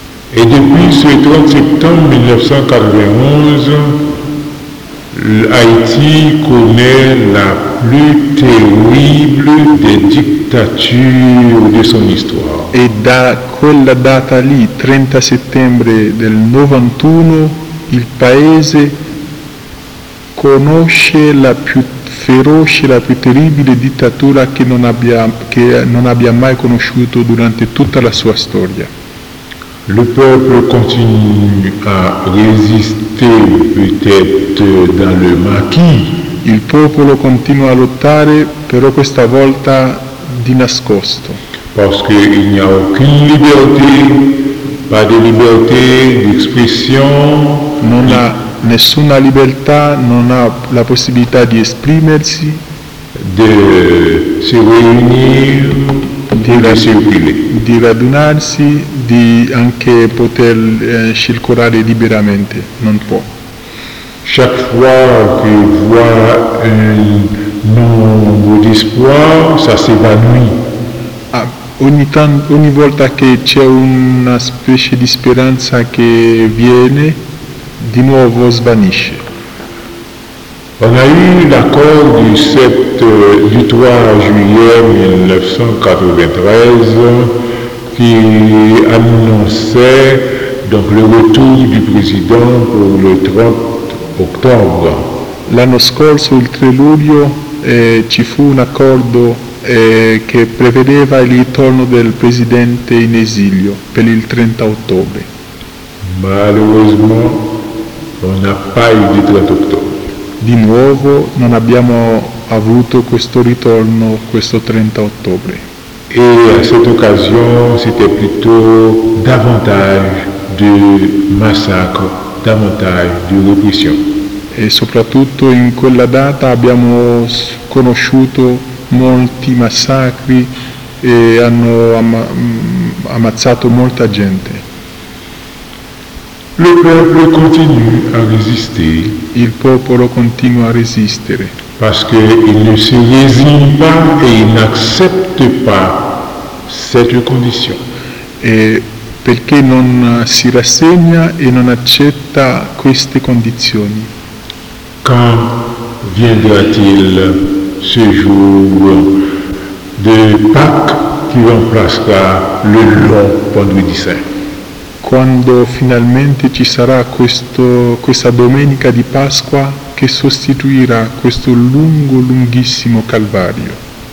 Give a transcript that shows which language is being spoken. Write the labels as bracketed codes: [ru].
[fr] E depuis ce 30 septembre 1991, l'Haïti connaît la plus terrible des dictatures de son histoire. [it] E da quella data lì, 30 settembre del 91, il paese conosce la più feroce, la più terribile dittatura che non abbia mai conosciuto durante tutta la sua storia. [fr] Le peuple continue à résister peut-être dans le maquis. [it] Il popolo continua a lottare, però questa volta di nascosto. [fr] Parce qu'il n'y a aucune liberté, pas de liberté d'expression. [it] Non ha nessuna libertà, non ha la possibilità di esprimersi, [fr] de se réunir, [it] di radunarsi, di anche poter circolare liberamente, non può. [fr] Chaque fois que voit un nombre d'espoir, ça s'évanouit. [it] Ogni volta che c'è una specie di speranza che viene, di nuovo svanisce. [fr] On a eu l'accord du 7 juillet 1993 qui annonçait donc le retour du président pour le 30 octobre. [it] L'anno scorso, il 3 luglio, ci fu un accordo che prevedeva il ritorno del presidente in esilio per il 30 ottobre. [fr] Malheureusement, on n'a pas eu le 30 octobre. [it] Di nuovo non abbiamo avuto questo ritorno questo 30 ottobre. E a questa occasione [fr] c'était plutôt davantage de massacre, davantage de repression. [it] E soprattutto in quella data abbiamo conosciuto molti massacri e hanno ammazzato molta gente. [fr] Le peuple continue à résister. [it] Il popolo continua a resistere. [fr] Parce qu'il ne se résigne pas et il n'accepte pas cette condition. [it] E perché non si rassegna e non accetta queste condizioni. [fr] Quand viendra-t-il ce jour de Pâques qui remplacera le long vendredi saint? [it] Quando finalmente ci sarà questa domenica di Pasqua che sostituirà questo lungo, lunghissimo Calvario.